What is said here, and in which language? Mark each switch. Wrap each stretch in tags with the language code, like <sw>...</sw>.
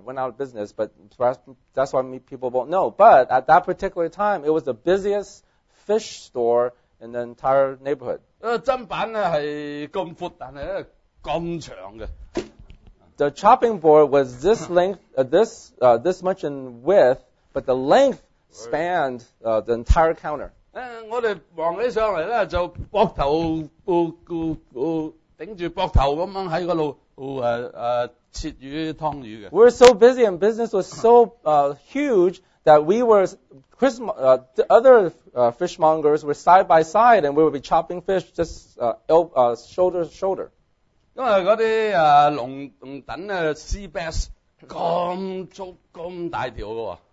<en>Went out of business, but that's why people won't know. But at that particular time, it was the busiest fish store in the entire neighborhood.</en> <yue>砧板咧系咁阔，但系咧咁长嘅。</yue> <en>The chopping board was this length, this much in width, but the length spanned the entire counter.</en> <yue>我哋望起上嚟咧，就膊头顶住膊头咁样喺嗰度切鱼汤鱼嘅。</yue> <en>We were so busy and business was so huge that we were the other fishmongers were side by side and we would be chopping fish just shoulder to shoulder.</en> <yue>因为嗰啲龙等啊 sea bass 咁粗咁大条嘅。</yue>